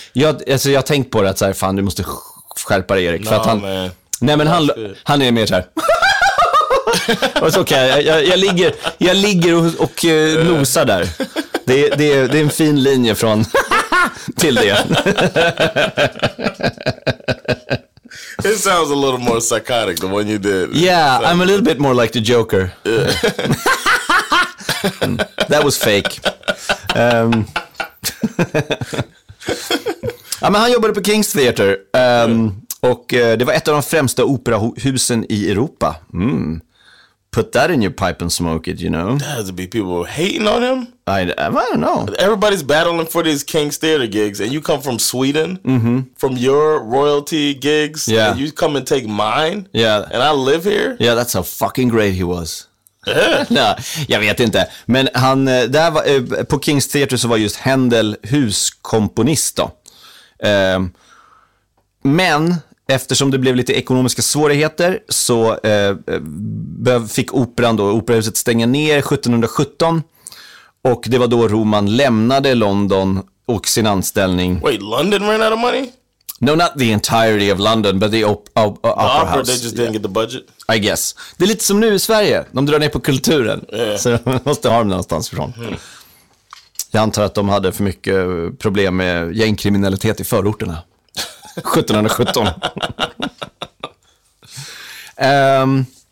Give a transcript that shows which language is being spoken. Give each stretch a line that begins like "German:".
Swedish: Jag tänkte på det att så här, fan du måste skärpa dig Erik. No, för att han... man. Nej men han är mer så här. Och så okay, jag ligger och nosar där. Det är en fin linje från till det.
English: It sounds a little more psychotic than when you did. Yeah, so. I'm a little bit more like the Joker. That was fake.
Swedish: ja, men han jobbade på King's Theater och det var ett av de främsta operahusen i Europa. Mm.
English: put that in your pipe and smoke it, you know? There has to be people hating on him. I don't know. Everybody's battling for these King's Theater gigs, and you come from Sweden, mm-hmm. from your royalty gigs, yeah. and you come and take mine, yeah. and I live here. Yeah, that's how fucking great he was.
Swedish: Nej, jag vet inte. Men han, där var, på King's Theater så var just Händel huskomponist då. Men eftersom det blev lite ekonomiska svårigheter så fick operan då, operahuset stänga ner 1717. Och det var då Roman lämnade London och sin anställning.
English: Wait, London ran out of money? No, not the entirety of London, but the opera house. They just didn't get the budget? I guess.
Swedish: Det är lite som nu i Sverige. De drar ner på kulturen.
English: Yeah.
Swedish: Så de måste ha dem någonstans ifrån. Mm. Jag antar att de hade för mycket problem med gängkriminalitet i förorterna. 1717.